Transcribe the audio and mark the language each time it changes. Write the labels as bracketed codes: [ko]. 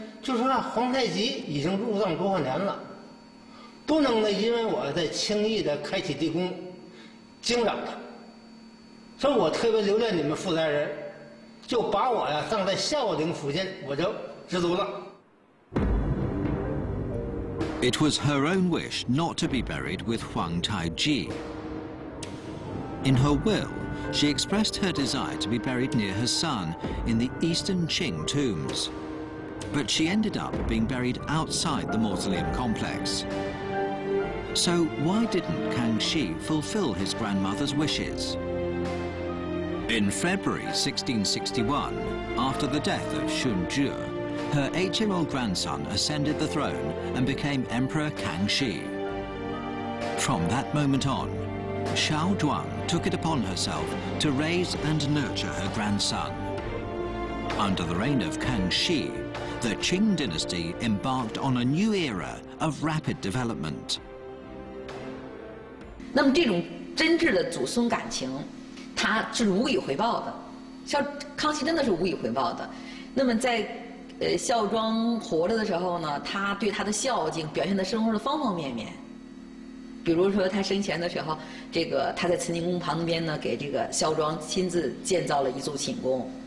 [zh] 就是说皇太极已经入葬多少年了，不能呢因为我在轻易的开启地宫惊扰他，所以我特别留恋你们负责人，就把我呀葬在孝陵附近，我就知足了。 [en] It was her own wish not to be buried with Huang Taiji. In her willShe expressed her desire to be buried near her son in the Eastern Qing tombs. But she ended up being buried outside the mausoleum complex. So why didn't Kang Shi fulfill his grandmother's wishes? In February 1661, after the death of Xun Zhi, her 8-year-old grandson ascended the throne and became Emperor Kangxi. From that moment on, Xiao Duan took it upon herself to raise and nurture her grandson. Under the reign of Kangxi, the Qing dynasty embarked on a new era of rapid development. [zh] 那么这种真挚的祖孙感情，他是无以回报的。孝康熙真的是无以回报的。那么在，孝庄活着的时候呢，他对他的孝敬表现在生活的方方面面。比如说他生前的时候，这个他在慈宁宫旁边呢，给这个孝庄亲自建造了一座寝宫。